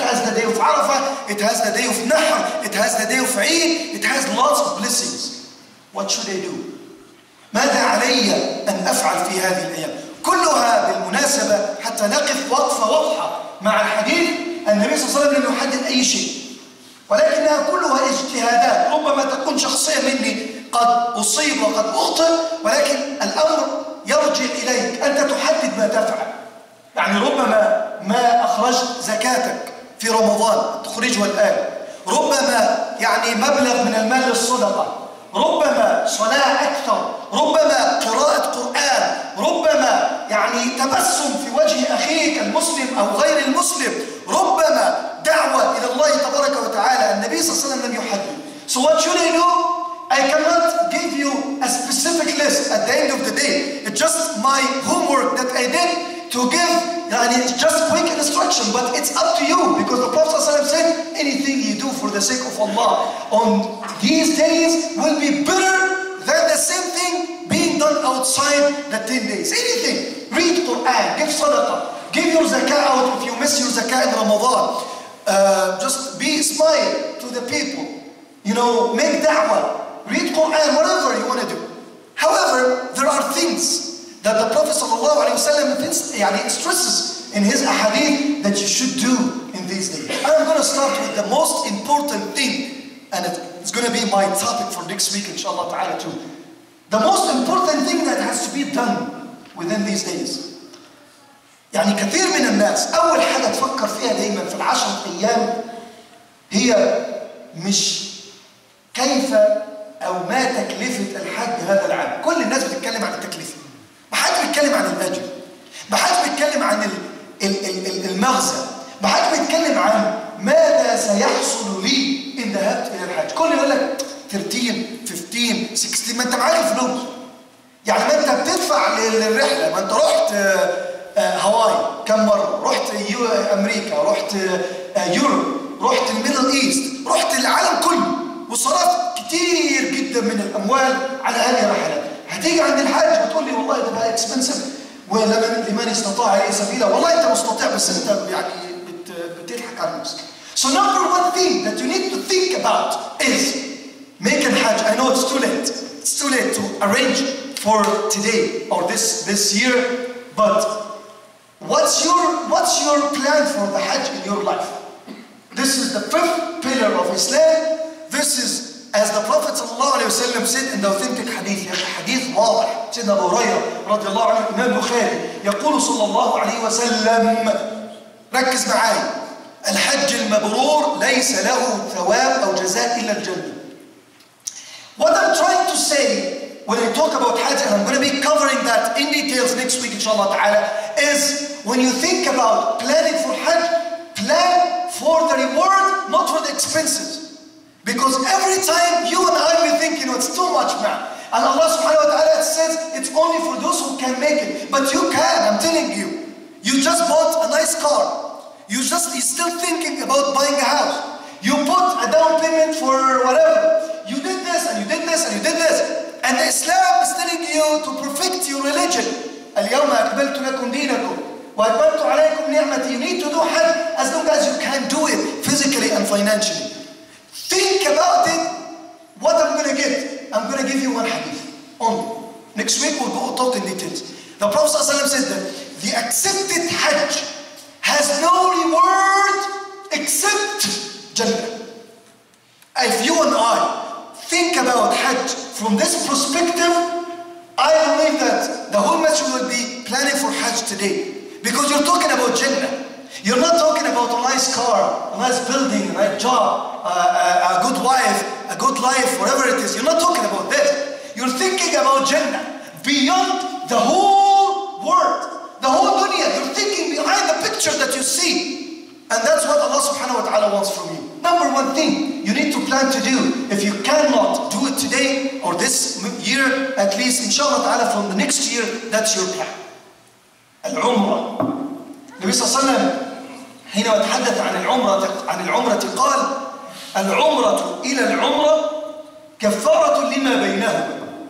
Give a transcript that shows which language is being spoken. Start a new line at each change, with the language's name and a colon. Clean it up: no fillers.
English: It has the day of Arafah, it has the day of Nahr, it has the day of Eid, it has lots of blessings. What should I do?
Arabic: ماذا علي أن أفعل في هذه الأيام؟ كلها بالمناسبة حتى نقف وقفة واضحة مع الحديث أن النبي صلى الله عليه وسلم لم يحدد أي شيء، ولكنها كلها اجتهادات. ربما تكون شخصية مني قد أصيب وقد أخطئ، ولكن الأمر يرجع إليك أنت، تحدد ما تفعل. يعني ربما ما أخرجت زكاتك في رمضان تخرجها الآن، ربما يعني مبلغ من المال للصدقة، ربما صلاة أكثر، ربما قراءة قرآن، ربما يعني تبسم في وجه أخيك المسلم أو غير المسلم، ربما دعوة إلى الله تبارك وتعالى. النبي صلى الله عليه وسلم لم يحدد.
English: So what should I do? I cannot give you a specific list at the end of the day. It's just my homework that I did to give, يعني it's just quick instruction, but it's up to you, because the Prophet said, anything you do for the sake of Allah on these days will be better than the same thing being done outside the 10 days. Anything, read Quran, give sadaqah, give your zakah out if you miss your zakah in Ramadan. Just be smile to the people, you know, make da'wah, read Quran, whatever you want to do. However, there are things that the Prophet sallallahu alaihi wasallam stresses in his ahadith that you should do in these days. I'm going to start with the most important thing, and it's going to be my topic for next week, inshallah ta'ala too. The most important thing that has to be done within these days.
Arabic: يعني كثير من الناس أول حاجة تفكر فيها دائما في العشر أيام هي مش كيف أو ما تكلفة الحج هذا العام. كل الناس بتتكلم عن التكلفة. ما حد بيتكلم عن الأجر. ما حد بيتكلم عن المغزى. ما حد بيتكلم عن ماذا سيحصل لي إن ذهبت إلى الحج. كل يقول لك 13, 15, 16, ما أنت معاك فلوس. يعني ما أنت بتدفع للرحلة، ما أنت رحت هاواي كم مرة، رحت أمريكا، رحت يوروب، رحت الميدل إيست، رحت العالم كله، وصرفت كتير جدا من الأموال على هذه الرحلات. هتيجي عند الحاج وتقول لي والله ده بقى اكسبنسيف، ولمن استطاع أي سبيلة، والله أنت مستطيع بس أنت يعني بتضحك على نفسك.
English: So number one thing that you need to think about is make a hajj. I know it's too late. It's too late to arrange for today or this year. But what's your plan for the hajj in your life? This is the fifth pillar of Islam. This is, as the Prophet ﷺ said in the authentic hadith,
Arabic: يعني حديث واضح. سيدنا أبو هريرة رضي الله عنه إمام البخاري يقول صلى الله عليه وسلم، ركز معايا، الحج المبرور ليس له ثواب أو جزاء إلا الجنة.
English: What I'm trying to say when I talk about Hajj, and I'm going to be covering that in details next week, inshallah ta'ala, is when you think about planning for Hajj, plan for the reward, not for the expenses. Because every time you and I, we think, you know, it's too much, man. And Allah subhanahu wa ta'ala says, it's only for those who can make it. But you can, I'm telling you. You just bought a nice car. You're still thinking about buying a house. You put a down payment for whatever. You did this, and you did this, and you did this. And Islam is telling you to perfect your religion.
Arabic: اليوم أكملت لكم دينكم وأتممت عليكم نعمتي.
English: You need to do hajj as long as you can do it physically and financially. Think about it. What I'm going to get? I'm going to give you one hadith only. Next week we'll go talk in details. The Prophet ﷺ says that the accepted hajj has no reward except Jannah. If you and I think about hajj from this perspective, I believe that the whole masjid will be planning for hajj today. Because you're talking about Jannah. You're not talking about a nice car, a nice building, a nice job, a good wife, a good life, whatever it is. You're not talking about that. You're thinking about Jannah beyond the whole world, the whole dunya. You're thinking behind the picture that you see. And that's what Allah subhanahu wa ta'ala wants from you. Number one thing you need to plan to do, if you cannot do it today or this year, at least inshallah ta'ala from the next year, that's your plan. Al-Umrah.
Arabic: النبي صلى الله عليه وسلم حينما تحدث عن العمرة قال العمرة إلى العمرة كفارة لما بينهما.